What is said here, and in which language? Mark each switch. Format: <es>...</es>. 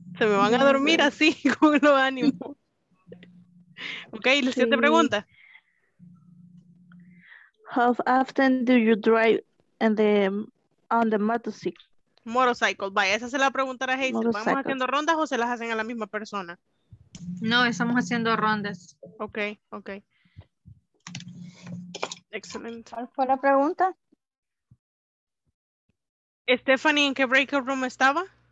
<es>Se me van a dormir así con los ánimos. Ok, la siguiente pregunta.</es> <en>How often do you drive on the motorcycle?</en> <es>Motorcycle, vaya, esa se la preguntará a Hazel. ¿Vamos haciendo rondas o se las hacen a la misma persona? No, estamos haciendo rondas. Ok, ok. Excelente. ¿Cuál fue la pregunta? Stephanie, ¿en qué breakout room estaba?</es>